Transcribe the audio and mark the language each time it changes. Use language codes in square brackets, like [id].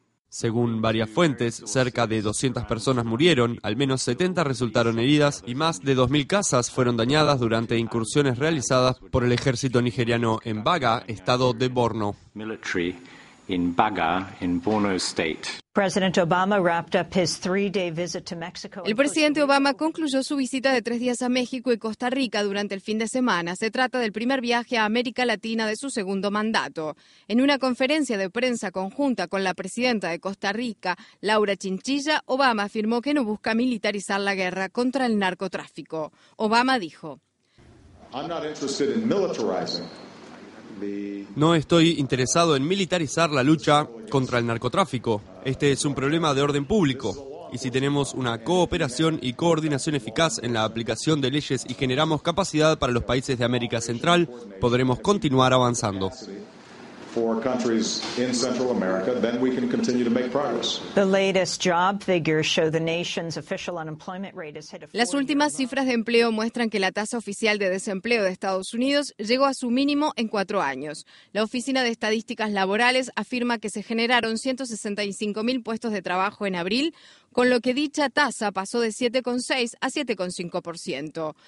[es] Según varias fuentes, cerca de 200 personas murieron, al menos 70 resultaron heridas y más de 2.000 casas fueron dañadas durante incursiones realizadas por el ejército nigeriano en Baga, estado de Borno. [en] In Baga, in Borno State. President Obama wrapped up his 3-day visit to Mexico. [es] El presidente Obama concluyó su visita de 3 días a México y Costa Rica durante el fin de semana. Se trata del primer viaje a América Latina de su segundo mandato. En una conferencia de prensa conjunta con la presidenta de Costa Rica, Laura Chinchilla, Obama afirmó que no busca militarizar la guerra contra el narcotráfico. Obama dijo: [en] I'm not interested in militarizing. [es] No estoy interesado en militarizar la lucha contra el narcotráfico. Este es un problema de orden público. Y si tenemos una cooperación y coordinación eficaz en la aplicación de leyes y generamos capacidad para los países de América Central, podremos continuar avanzando. [en] For countries in Central America, then we can continue to make progress. The latest job figures show the nation's official unemployment rate has hit a 40-year low. [es] Las últimas cifras de empleo muestran que la tasa oficial de desempleo de Estados Unidos llegó a su mínimo en 4 años. La Oficina de Estadísticas Laborales afirma que se generaron 165.000 puestos de trabajo en abril, con lo que dicha tasa pasó de 7,6 a 7,5%.